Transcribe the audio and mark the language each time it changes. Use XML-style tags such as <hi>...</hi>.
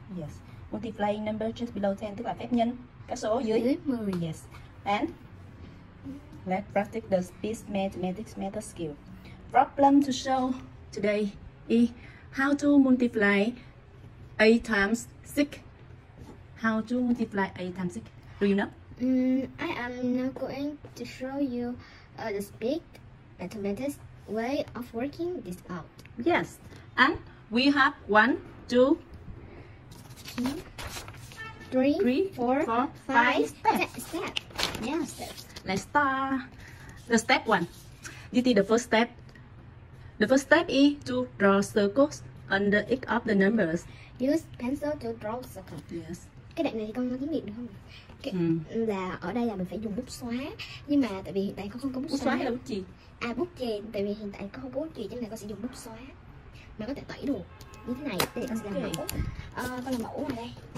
<en>Yes, multiplying numbers just below 10</en> <vi>tức là phép nhân các số dưới 10.</vi> <en>Yes. And let's practice the speech mathematics method skill. Problem to show today is how to multiply 8 times 6. How to multiply 8 times 6? Do you know? I am now going to show you the speech mathematics way of working this out. Yes, and we have 1, 2, 3, 4, 5 steps. Yes, let's start the step one. This is the first step. The first step is to draw circles under each of the numbers. Use pencil to draw circles. Yes.</en> <vi>Cái đoạn này con có kiếm được không? Là ở đây là mình phải dùng bút xóa, nhưng mà tại vì hiện tại con không có bút xóa. Bút xóa là bút chì. À, bút chì, tại vì hiện tại con không có bút chì cho nên con sẽ dùng bút xóa. Mà có thể tẩy được như thế này, thì con sẽ làm mẫu. À, con làm mẫu ở đây.</vi>